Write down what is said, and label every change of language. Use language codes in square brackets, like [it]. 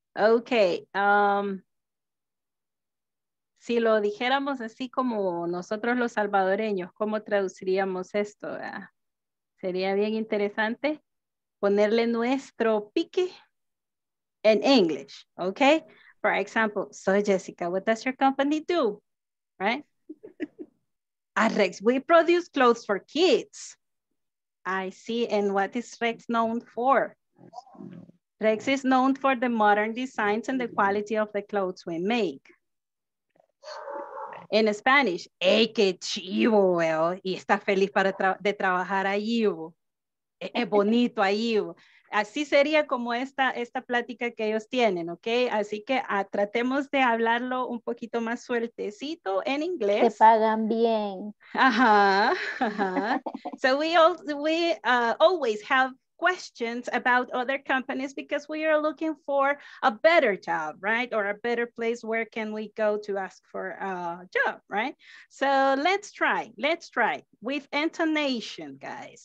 [es] Okay, si lo dijéramos así como nosotros los salvadoreños, ¿cómo traduciríamos esto? ¿Verdad? Sería bien interesante ponerle nuestro pique en inglés, okay? [en] For example, so Jessica, what does your company do, right? At Rex, we produce clothes for kids. I see, and what is Rex known for? Rex is known for the modern designs and the quality of the clothes we make. In Spanish, [es] ¡ey, qué chivo, weo! Y está feliz para de trabajar ahí, es bonito ahí. Así sería como esta plática que ellos tienen, ¿ok? Así que tratemos de hablarlo un poquito más sueltecito en inglés. Te pagan bien. Ajá, ajá. [en] So we always have questions about other companies because we are looking for a better job, right? Or a better place, where can we go to ask for a job, right? So let's try with intonation, guys.